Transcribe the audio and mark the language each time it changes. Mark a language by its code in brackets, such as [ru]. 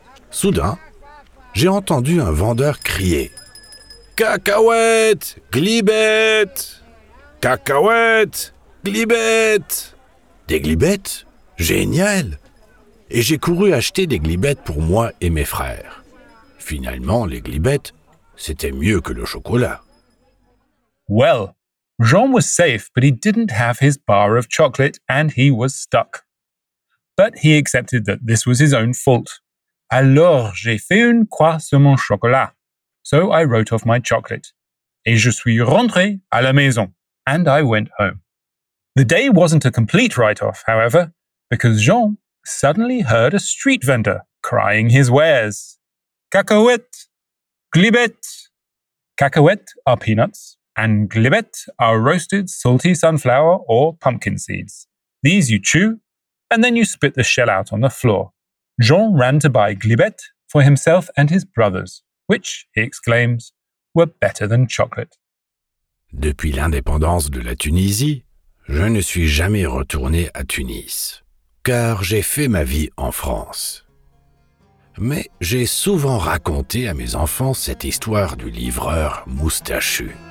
[fr] Soudain, j'ai entendu un vendeur crier « Cacahuètes, glibettes ! Cacahuètes, glibettes ! Des glibettes ? Génial ! Et j'ai couru acheter des glibettes pour moi et mes frères. Finalement, les glibettes, c'était mieux que le chocolat. [en] Well, Jean was safe, but he didn't have his bar of chocolate and he was stuck. But he accepted that this was his own fault. Alors, j'ai fait une croix sur mon chocolat. So I wrote off my chocolate. [fr] Et je suis rentré à la maison. [en] And I went home. The day wasn't a complete write-off, however, because Jean suddenly heard a street vendor crying his wares. Cacahuète, glibette. Cacahuète are peanuts, and glibette are roasted salty sunflower or pumpkin seeds. These you chew, and then you spit the shell out on the floor. Jean ran to buy glibette for himself and his brothers, which, he exclaims, were better than chocolate. [fr] Depuis l'indépendance de la Tunisie, je ne suis jamais retourné à Tunis, car j'ai fait ma vie en France. Mais j'ai souvent raconté à mes enfants cette histoire du livreur moustachu.